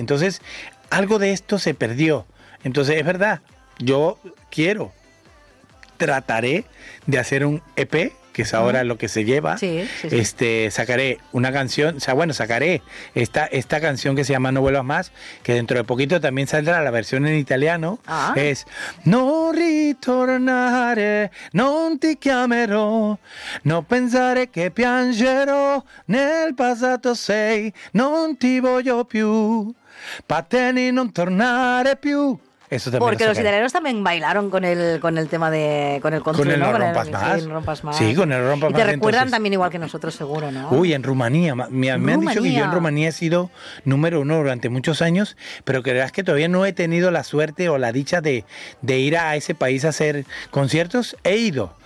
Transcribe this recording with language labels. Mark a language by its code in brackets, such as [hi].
[es] Entonces, algo de esto se perdió. Entonces, es verdad, yo trataré de hacer un EP, que es ahora lo que se lleva. Sí, sí, sí. Sacaré una canción, o sea, bueno, sacaré esta canción que se llama No vuelvas más, que dentro de poquito también saldrá la versión en italiano. Ah. Es [it] No ritornare, non ti chiamerò, no pensare che piangerò nel passato sei, non ti voglio più, patteni non tornare più. [es] Eso también. Porque los italianos también bailaron con el tema de... Con el control, con el ¿no? No rompas más. Sí, con el rompas y más. Y te recuerdan entonces también, igual que nosotros, seguro, ¿no? Uy, en Rumanía. Me han dicho que yo en Rumanía he sido número uno durante muchos años, pero creerás que todavía no he tenido la suerte o la dicha de ir a ese país a hacer conciertos. He ido.